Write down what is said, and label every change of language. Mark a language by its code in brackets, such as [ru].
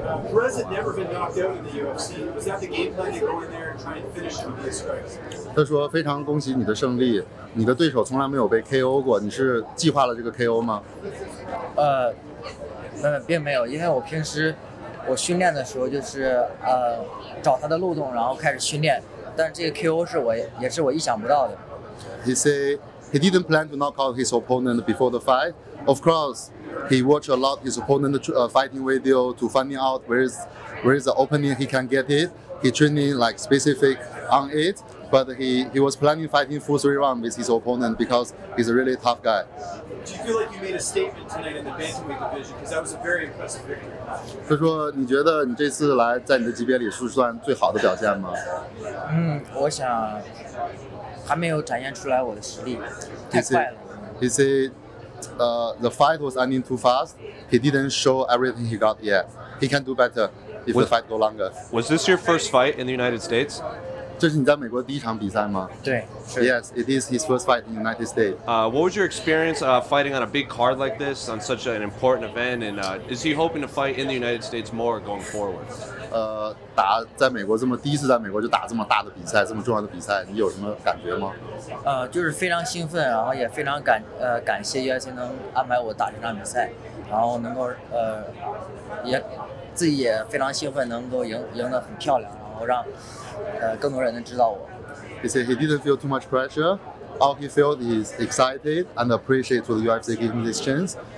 [en] Perez had never been knocked out in the UFC. Was that the game plan to go in there and try and finish him via strikes? [zh] 他说：“非常恭喜你的胜利，你的对手从来没有被 KO 过，你是计划了这个 KO 吗？” 并没有，因为我平时我训练的时候就是找他的漏洞，然后开始训练。但这个 KO 是我也是我意想不到的。 [en] He said he didn't plan to knock out his opponent before the fight. Of course, he watched a lot his opponent fighting video to finding out where is the opening he can get it. He training like specific on it. But he was planning fighting full three rounds with his opponent because he's a really tough guy. Do you feel like you made a statement tonight in the bantamweight division? Because that was a very impressive victory. [zh] 他说你觉得你这次来在你的级别里是算最好的表现吗？我想还没有展现出来我的实力，太快了。 [en] He said, the fight was ending too fast. He didn't show everything he got yet. He can do better if the fight go longer. Was this your first fight in the United States? [zh] 这是你在美国第一场比赛吗？对 [en] ，Yes, it is his first fight in the United States. What was your experience fighting on a big card like this on such an important event? And is he hoping to fight in the United States more going forward? [zh] 打在美国这么第一次在美国就打这么大的比赛，这么重要的比赛，你有什么感觉吗？就是非常兴奋，然后也非常感谢 UFC 能安排我打这场比赛，然后能够也自己也非常兴奋，能够赢得很漂亮，然后让。更多人能知道我。 [en] He said he didn't feel too much pressure. All he felt is excited and appreciate the UFC giving this chance.